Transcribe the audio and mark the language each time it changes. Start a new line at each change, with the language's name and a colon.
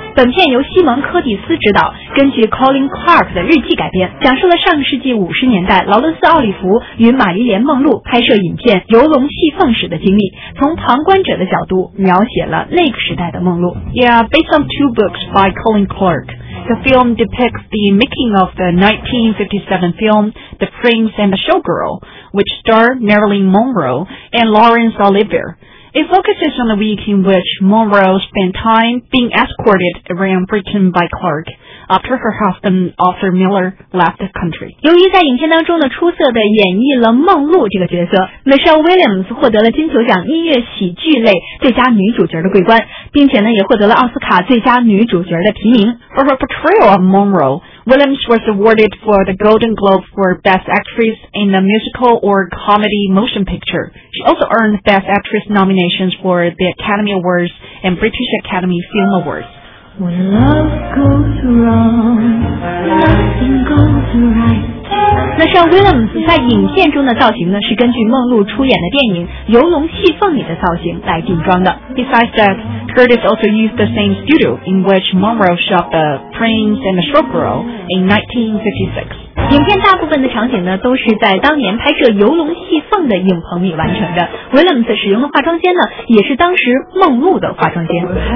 Chinese: 本片由西蒙·柯蒂斯执导，根据 Colin Clark 的日记改编，讲述了上世纪50年代劳伦斯·奥利弗与玛丽莲·梦露拍摄影片《游龙戏凤》时的经历，从旁观者的角度描写了那个时代的梦露。
English: Yeah, based on two books by Colin Clark, the film depicts the making of the 1957 film The Prince and the Showgirl,which starred Marilyn Monroe and Laurence Olivier. It focuses on the week in which Monroe spent time being escorted around Britain by Clark after her husband Arthur Miller left the country.
Chinese: 由于在影片当中呢出色地演绎了梦露这个角色 ，Michelle Williams 获得了金球奖音乐喜剧类最佳女主角的桂冠，并且呢也获得了奥斯卡最佳女主角的提名。
English: For her portrayal of Monroe,Williams was awarded for the Golden Globe for Best Actress in a Musical or Comedy Motion Picture. She also earned Best Actress nominations for the Academy Awards and British Academy Film Awards. When love goes wrong, nothing goes right.
Chinese: 那像 Williams 在影片中的造型呢，是根据梦露出演的电影《游龙戏凤》里的造型来定妆的。
English: Besides that, Curtis also used the same studio in which Monroe shot The Prince and the Showgirl in 1956.
Chinese: 影片大部分的场景呢，都是在当年拍摄《游龙戏凤》的影棚里完成的。 Williams 使用的化妆间呢，也是当时梦露的化妆间。